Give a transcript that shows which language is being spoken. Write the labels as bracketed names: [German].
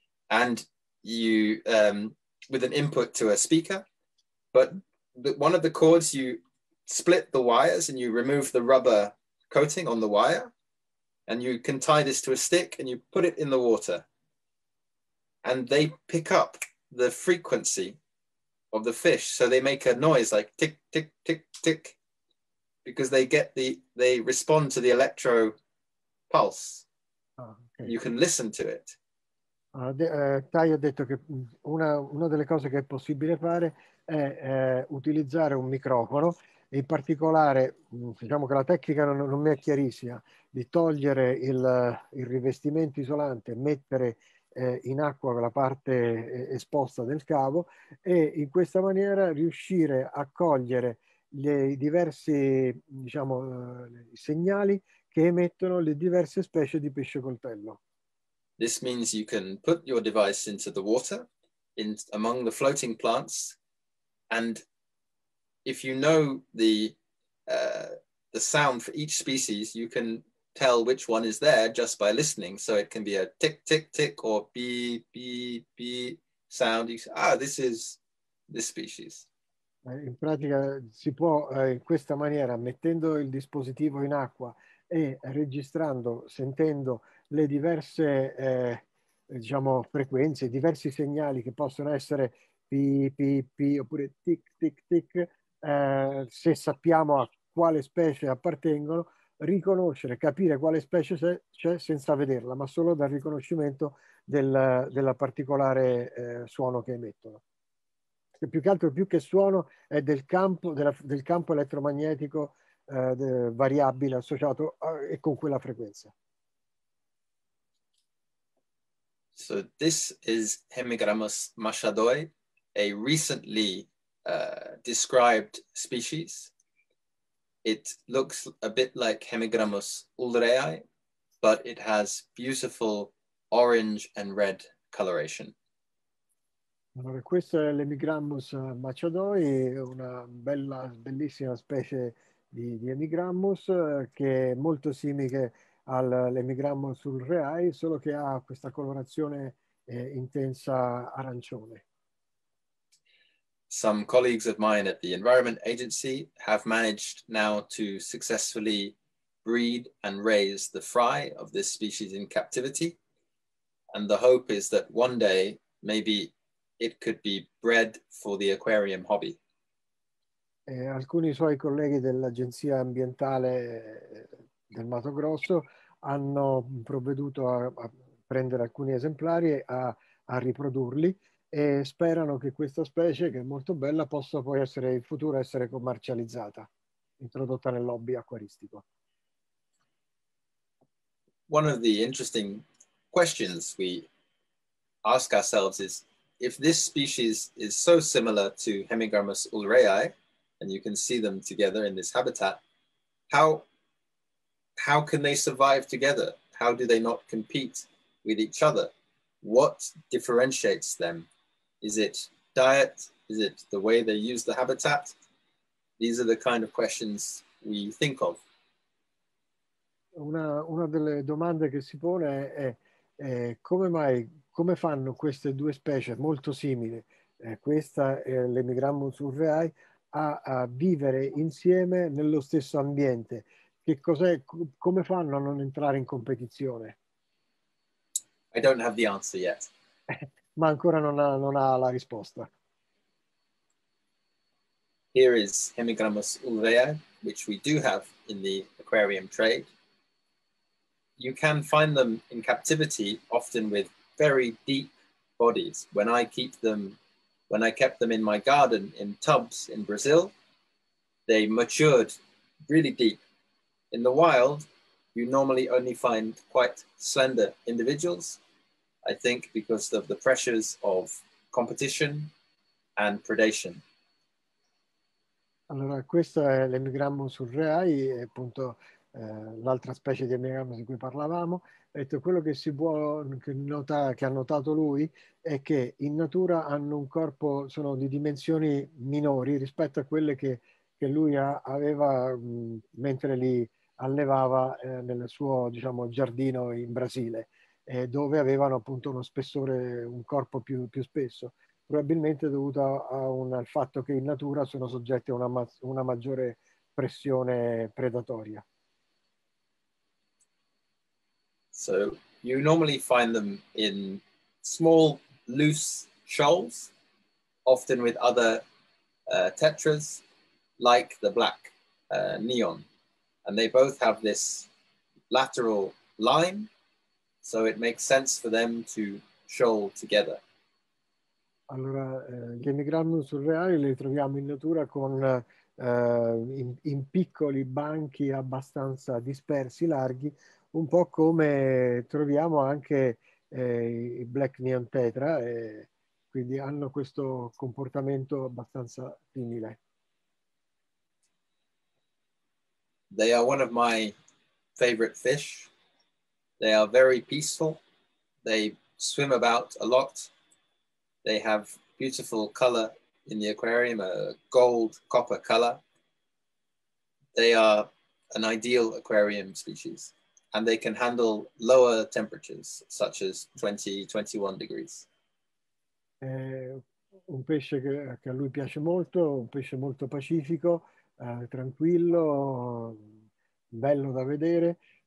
[English] And you, with an input to a speaker, but one of the cords, you split the wires and you remove the rubber coating on the wire, and you can tie this to a stick and you put it in the water. And they pick up the frequency of the fish, so they make a noise like tick, tick, tick, tick, because they respond to the electro pulse. Ah, You ok. can listen to it. [Italian] Tai ha detto che una delle cose che è possibile fare è utilizzare un microfono, e in particolare, diciamo che la tecnica non mi è chiarissima, di togliere il rivestimento isolante, mettere in acqua la parte esposta del cavo, e in questa maniera riuscire a cogliere i diversi, diciamo, i segnali che emettono le diverse specie di pesce coltello. [English] This means you can put your device into the water, in among the floating plants, and if you know the sound for each species, you can tell which one is there just by listening. So it can be a tick, tick, tick, or beep, beep, beep sound. You say, ah, this is this species. [Italian] In pratica si può in questa maniera, mettendo il dispositivo in acqua e registrando, sentendo le diverse diciamo, frequenze, i diversi segnali che possono essere pi, pi, pi oppure tic, tic, tic, se sappiamo a quale specie appartengono, riconoscere, capire quale specie c'è senza vederla, ma solo dal riconoscimento della particolare suono che emettono. E più che altro, più che suono, è del campo elettromagnetico variabile associato e con quella frequenza. [English] So this is Hemigrammus machadoi, a recently described species. It looks a bit like Hemigrammus ulreae, but it has beautiful orange and red coloration. [Italian] Allora, questo è l'Hemigrammus machadoi, una bellissima specie di Hemigrammus, che è molto simile all'Hemigrammus ulreae, solo che ha questa colorazione intensa arancione. [English] Some colleagues of mine at the Environment Agency have managed now to successfully breed and raise the fry of this species in captivity. And the hope is that one day maybe it could be bred for the aquarium hobby. [Italian] Alcuni suoi colleghi dell'agenzia ambientale del Mato Grosso hanno provveduto a prendere alcuni esemplari e a riprodurli e sperano che questa specie, che è molto bella, possa poi essere in futuro essere commercializzata, introdotta nel hobby acquaristico. [English] One of the interesting questions we ask ourselves is if this species is so similar to Hemigrammus ulrei, and you can see them together in this habitat, how can they survive together? How do they not compete with each other? What differentiates them? Is it diet? Is it the way they use the habitat? These are the kind of questions we think of. [Italian] Una delle domande che si pone è come fanno queste due specie molto simili, questa e l'Hemigrammus ulreae, a vivere insieme nello stesso ambiente? Che cos'è, come fanno a non entrare in competizione? [English] I don't have the answer yet. [Italian] Ma ancora non ha la risposta. [English] Here is Hemigrammus ulreae, which we do have in the aquarium trade. You can find them in captivity, often with very deep bodies. When I kept them in my garden in tubs in Brazil, they matured really deep. In the wild, you normally only find quite slender individuals, I think because of the pressures of competition and predation. [Italian] Allora, questo è l'Hemigrammus ulreae, appunto l'altra specie di Hemigrammus di cui parlavamo. Quello che ha notato lui è che in natura hanno un corpo, sono di dimensioni minori rispetto a quelle che lui aveva mentre li allevava nel suo, diciamo, giardino in Brasile, dove avevano appunto uno spessore, un corpo più spesso, probabilmente dovuto al fatto che in natura sono soggetti a una maggiore pressione predatoria. [English] So you normally find them in small, loose shoals, often with other tetras, like the black neon. And they both have this lateral line, so it makes sense for them to shoal together. [Italian] Allora, gli Hemigrammus ulreae li troviamo in natura con in piccoli banchi abbastanza dispersi, larghi, un po' come troviamo anche i black neon tetra, quindi hanno questo comportamento abbastanza simile. [English] They are one of my favorite fish. They are very peaceful. They swim about a lot. They have beautiful color in the aquarium, a gold copper color. They are an ideal aquarium species. And they can handle lower temperatures, such as 20-21 degrees. [Italian] È un pesce che a lui piace molto, un pesce molto pacifico, tranquillo, bello da vedere.